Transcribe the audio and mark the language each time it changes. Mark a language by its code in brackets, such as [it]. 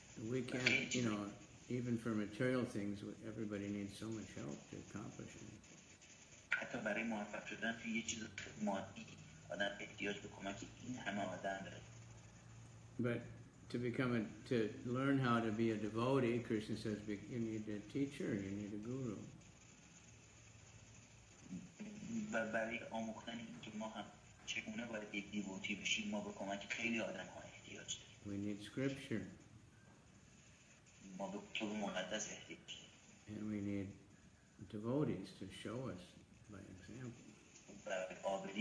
[en] we can't, you know, even for material things, everybody needs so much help to accomplish it. [fa] حتی برای موفق شدن توی یه چیز مادی آدم احتیاج به کمک این همه آدم داره. [en] But to become a, to learn how to be a devotee, Krishna says, you need a teacher, you need a guru. [fa] و برای آموختن اینکه ما هم چگونه باید یک دیووتی بشیم ما به کمک خیلی آدم ها احتیاج داریم. [en] We need scripture. [fa] ما به کتب مقدس احتیاج داریم. [en] And we need devotees to show us by example.